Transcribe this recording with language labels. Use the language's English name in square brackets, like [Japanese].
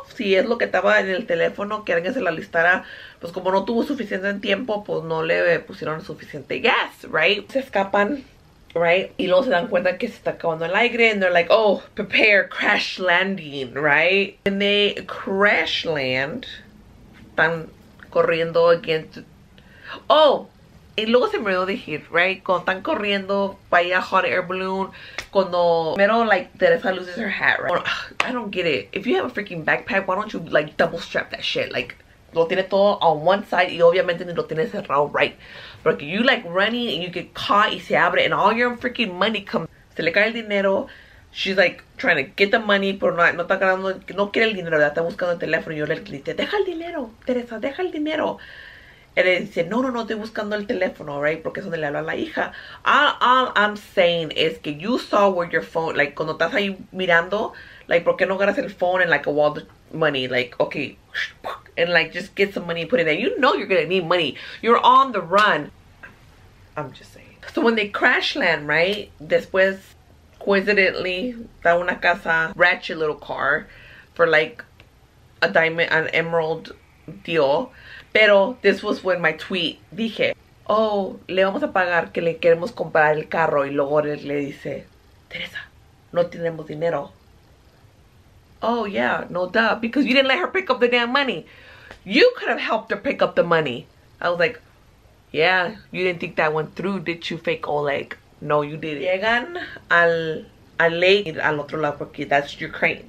[Spanish] Si es lo que estaba en el teléfono, que alguien se lo alistara. Pues, como no tuvo suficiente tiempo, pues, no le pusieron suficiente gas, right? Se escapan. Right? Y luego se dan cuenta que se está acabando el aire. [English] And they're like, oh, prepare, crash landing, right? When they crash land, [Spanish] están corriendo [English] against... Oh! [Spanish] Y luego se me olvidó decir, right? Cuando están corriendo para ir a [English] hot air balloon, [Spanish] cuando... [English] Primero, like, Teresa loses her hat, right? I don't get it. If you have a freaking backpack, why don't you, like, double strap that shit? Like, [Spanish] lo tiene todo [English] on one side [Spanish] y obviamente lo tiene cerrado right. [English] Porque you like running and you get caught [Spanish] y se abre [English] and all your freaking money comes. [Spanish] Se le cae el dinero. [English] She's like trying to get the money, [Spanish] pero no está ganando, no quiere el dinero, ¿verdad? Está buscando el teléfono. Y yo le dije, deja el dinero, Teresa, deja el dinero. Y le dice, no, estoy buscando el teléfono, right? Porque es donde le habla a la hija. [English] All I'm saying is que you saw where your phone, like, [Spanish] cuando estás ahí mirando, like, ¿por qué no agarras el [English] phone and, like, a wall of money? Like, okay, and, like, just get some money and put it there. You know you're gonna need money. You're on the run. I'm just saying. So when they crash land, right, después, coincidentally, [Spanish] da una casa, [English] ratchet little car, for, like, a diamond, an emerald deal. [Spanish] Pero, [English] this was when my tweet [Spanish] dije, oh, le vamos a pagar que le queremos comprar el carro. Y luego él le dice, Teresa, no tenemos dinero. [English] Oh, yeah, no duh, because you didn't let her pick up the damn money. You could have helped her pick up the money. I was like, yeah, you didn't think that went through, did you, fake Oleg? No, you didn't. [Spanish] Llegan al lake, al otro lado, porque [English] that's Ukraine.